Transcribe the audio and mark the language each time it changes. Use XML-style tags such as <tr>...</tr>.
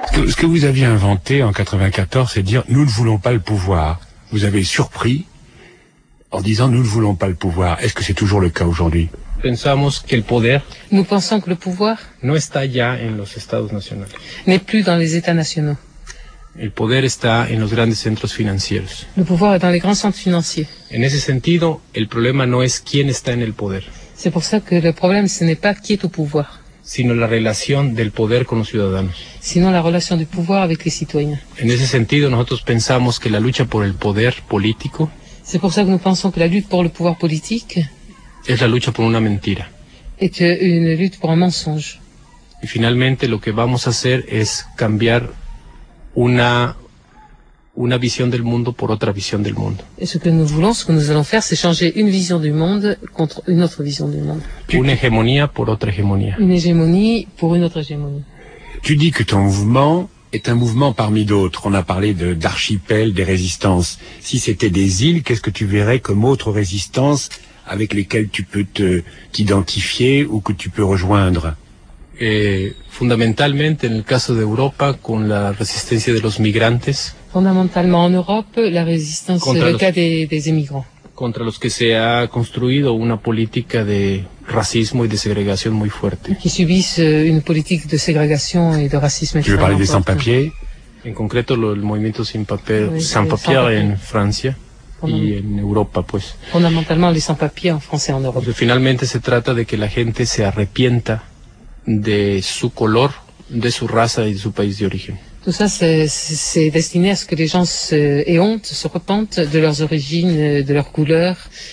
<fr>Ce que vous aviez inventé en 94, c'est de dire « nous ne voulons pas le pouvoir ». Vous avez surpris en disant « nous ne voulons pas le pouvoir ». Est-ce que c'est toujours le cas aujourd'hui? Nous pensons que le pouvoir n'est plus dans les États nationaux.</fr> <es>El poder está en los grandes centros financieros.</es> <fr>Le pouvoir est dans les grands centres financiers.</fr> <es>En ese sentido, el problema no es quién está en el poder.</es> <fr>C'est pour ça que le problème, ce n'est pas qui est au pouvoir.</fr> <es>Sino la relación del poder con los ciudadanos. Sino la relación del</es> <fr>pouvoir avec les citoyens.</fr> <es>En ese sentido, nosotros pensamos que la lucha por el poder político.</es> <fr>C'est pour ça que nous pensons que la lutte pour le pouvoir politique.</fr> <es>Es la lucha por una mentira.</es> <fr>Est une lutte pour un mensonge.</fr> <es>Y finalmente, lo que vamos a hacer es cambiar una visión del mundo por otra visión del mundo.</es> <fr>Et ce que nous voulons, ce que nous allons faire, c'est changer une vision du monde contre une autre vision du monde. Une hégémonie pour autre hégémonie. Une hégémonie pour une autre hégémonie. Tu dis que ton mouvement est un mouvement parmi d'autres. On a parlé d'archipel, des résistances. Si c'était des îles, qu'est-ce que tu verrais comme autre résistance avec lesquelles tu peux t'identifier ou que tu peux rejoindre?</fr> <es>Fundamentalement,</es> <fr>en le cas d'Europe,</fr> <es>con la resistencia de los migrantes.</es> <fr>Fondamentalement, en Europe, la résistance contre le cas des immigrants.</fr> <es>Contre los que se ha construido una política de racismo y de segregación muy fuerte.</es> <fr>Qui subissent une politique de ségrégation et de racisme. Tu veux parler des sans-papiers?</fr> <es>En concreto, el movimiento sans-papiers en Francia. Y en Europa, pues.</es> <fr>Fondamentalement, les sans-papiers en France et en Europe.</fr> <es>Pues, finalmente, se trata de que la gente se arrepienta de su color, de su raza y de su país de origen.</es> <fr>Tout ça, c'est destiné à ce que les gens aient honte, se repentent de leurs origines, de leurs couleurs.</fr>